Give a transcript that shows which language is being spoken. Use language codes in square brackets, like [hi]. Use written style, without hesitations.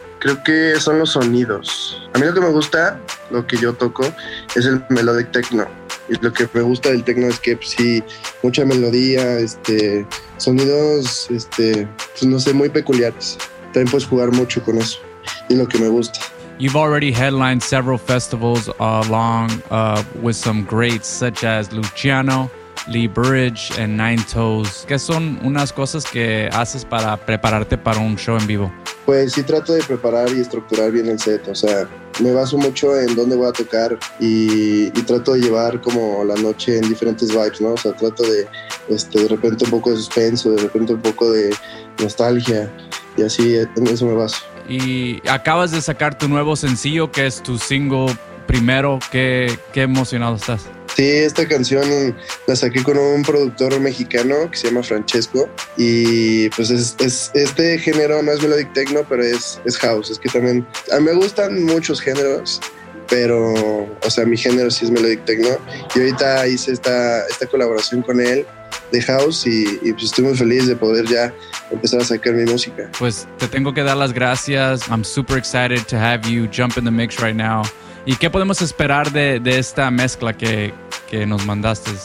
[es] Creo que son los sonidos. A mí lo que me gusta, lo que yo toco, es el melodic techno. Y lo que me gusta del techno es que pues, sí, mucha melodía, sonidos, pues, no sé, muy peculiares. También puedes jugar mucho con eso, y lo que me gusta. [en] You've already headlined several festivals along with some greats such as Luciano, Lee Bridge, and Nine Toes. [es] ¿Qué son unas cosas que haces para prepararte para un show en vivo? Pues sí, trato de preparar y estructurar bien el set. O sea, me baso mucho en dónde voy a tocar y trato de llevar como la noche en diferentes vibes, ¿no? O sea, trato de de repente un poco de suspenso, de repente un poco de nostalgia, y así en eso me baso. Y acabas de sacar tu nuevo sencillo, que es tu single primero, ¿qué emocionado estás? Sí, esta canción la saqué con un productor mexicano que se llama Francesco. Y pues es este género no es melodic techno, pero es house. Es que también a mí me gustan muchos géneros, pero, o sea, mi género sí es melodic techno. Y ahorita hice esta colaboración con él de house y pues estoy muy feliz de poder ya empezar a sacar mi música. Pues te tengo que dar las gracias. [en] I'm super excited to have you jump in the mix right now. [es] ¿Y qué podemos esperar de esta mezcla que nos mandaste?